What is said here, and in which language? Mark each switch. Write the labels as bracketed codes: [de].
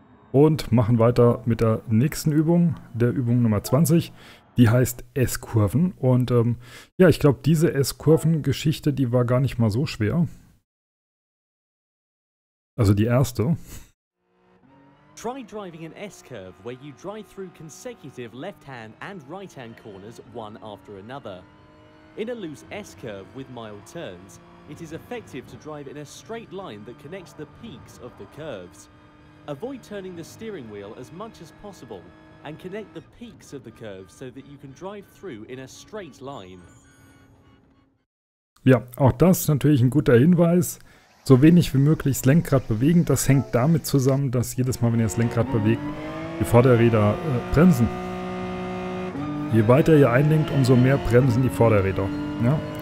[de] Und machen weiter mit der nächsten Übung, der Übung Nummer 20. Die heißt S-Kurven. Und ja, ich glaube, diese S-Kurven-Geschichte, die war gar nicht mal so schwer. Also die erste. [en] Try driving an S-Curve, where you drive through consecutive left-hand and right-hand corners one after another. In a loose S-Curve with mild turns, it is effective to drive in a straight line that connects the peaks of the curves. Avoid turning the steering wheel as much as possible and connect the peaks of the curve so that you can drive through in a straight line. [de] Ja, auch das ist natürlich ein guter Hinweis. So wenig wie möglich das Lenkrad bewegen, das hängt damit zusammen, dass jedes Mal, wenn ihr das Lenkrad bewegt, die Vorderräder bremsen. Je weiter ihr einlenkt, umso mehr bremsen die Vorderräder. Ja?